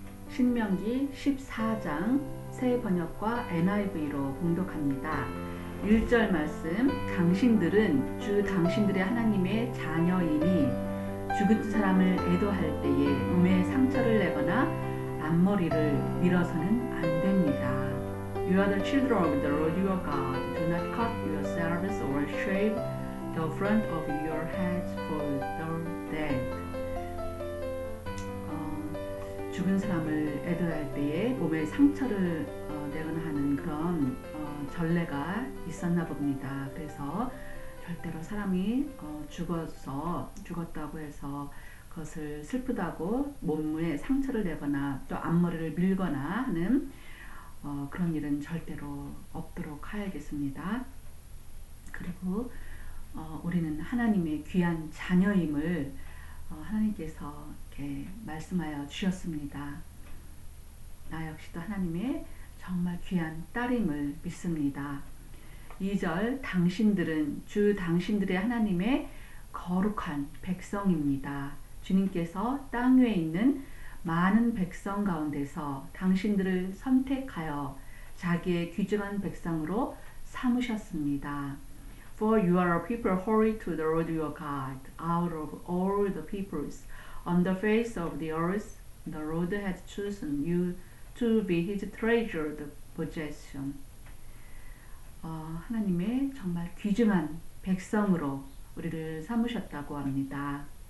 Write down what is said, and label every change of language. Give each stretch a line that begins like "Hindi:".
Korean: 신명기 14장 새 번역과 NIV로 봉독합니다. 1절 말씀, 당신들은 주 당신들의 하나님의 자녀이니 죽은 사람을 애도할 때에 몸에 상처를 내거나 앞머리를 밀어서는 안 됩니다.
English: You are the children of the Lord your God. Do not cut yourselves or shave the front of your heads for the dead.
Korean: 죽은 사람을 애도할 때에 몸에 상처를 내거나 하는 그런 전례가 있었나 봅니다. 그래서 절대로 사람이 죽었다고 해서 그것을 슬프다고 몸에 상처를 내거나 또 앞머리를 밀거나 하는 그런 일은 절대로 없도록 해야겠습니다. 그리고 우리는 하나님의 귀한 자녀임을 하나님께서 이렇게 말씀하여 주셨습니다. 나 역시도 하나님의 정말 귀한 딸임을 믿습니다. 2절, 당신들은 주 당신들의 하나님의 거룩한 백성입니다. 주님께서 땅 위에 있는 많은 백성 가운데서 당신들을 선택하여 자기의 귀중한 백성으로 삼으셨습니다.
English: For you are a people holy to the Lord your God. Out of all the peoples on the face of the earth, the Lord has chosen you to be his treasured possession.
Korean: 하나님의 정말 귀중한 백성으로 우리를 삼으셨다고 합니다.